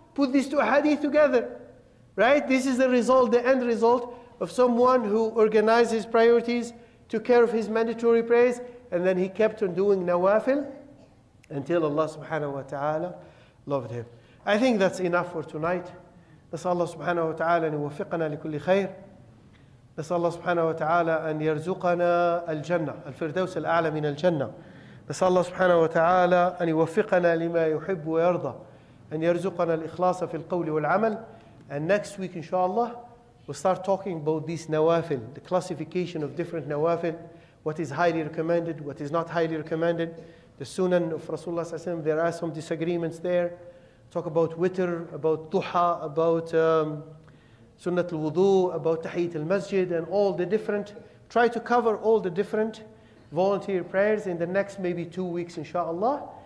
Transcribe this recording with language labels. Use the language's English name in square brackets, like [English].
[English] Put these two hadith together, right? This is the result, the end result, of someone who organized his priorities, took care of his mandatory prayers, and then he kept on doing nawafil until Allah subhanahu wa ta'ala loved him. I think that's enough for tonight. [Arabic] نسأل الله سبحانه وتعالى أن يوفقنا لكل خير. نسأل الله سبحانه وتعالى أن يرزقنا الجنة, الفردوس الأعلى من الجنة. نسأل الله سبحانه وتعالى أن يوفقنا لما يحب ويرضى, أن يرزقنا الإخلاص في القول والعمل. [English] And next week, inshallah, we'll start talking about these nawafil, the classification of different nawafil, what is highly recommended, what is not highly recommended. The sunan of Rasulullah SAW, there are some disagreements there. Talk about witr, about duha, about sunnat al-wudu, about tahiyyat al-masjid, and all the different, try to cover all the different volunteer prayers in the next maybe 2 weeks, inshallah.